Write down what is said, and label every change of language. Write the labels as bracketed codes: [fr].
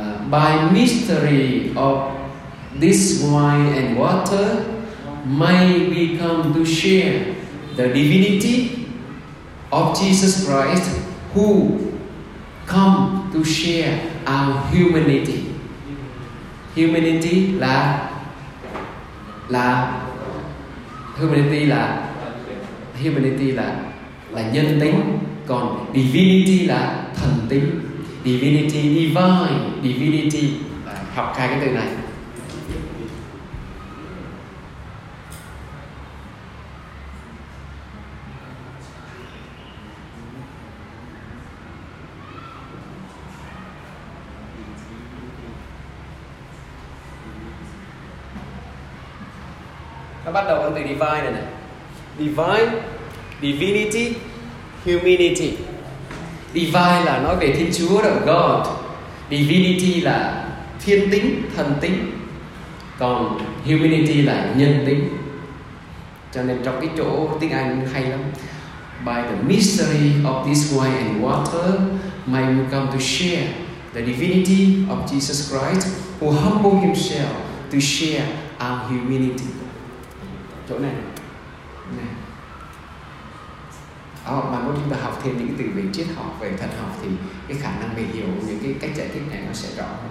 [en] By mystery of this wine and water, may we come to share the divinity of Jesus Christ, who come to share our humanity. [vi] Humanity là humanity là nhân tính, còn divinity là thần tính. Divinity, divine, divinity, học hai cái từ này. Nó bắt đầu bằng từ divine này này. Divine, divinity, humanity. Divine là nói về Thiên Chúa, là God. Divinity là thiên tính, thần tính. Còn humanity là nhân tính. Cho nên trong cái chỗ tiếng Anh hay lắm. [en] By the mystery of this wine and water, may we come to share the divinity of Jesus Christ, who humbled himself to share our humanity. [vi] Chỗ này đó, mà nếu chúng ta học thêm những cái từ về triết học, về thần học, thì cái khả năng mình hiểu những cái cách giải thích này nó sẽ rõ.